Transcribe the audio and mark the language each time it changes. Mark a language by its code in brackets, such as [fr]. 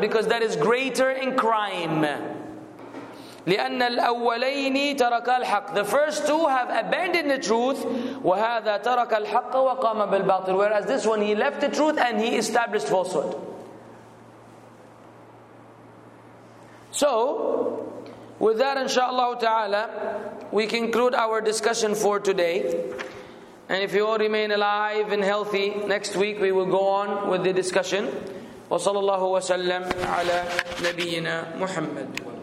[en] Because that is greater in crime. [ar] لأن الأولين ترك الحق. [en] The first two have abandoned the truth. [ar] وهذا ترك الحق وقام بالباطل. [en] Whereas this one, he left the truth and he established falsehood. So, with that inshallah ta'ala, we conclude our discussion for today. And if you all remain alive and healthy, next week we will go on with the discussion. [ar] وصلى الله وسلم على نبينا محمد.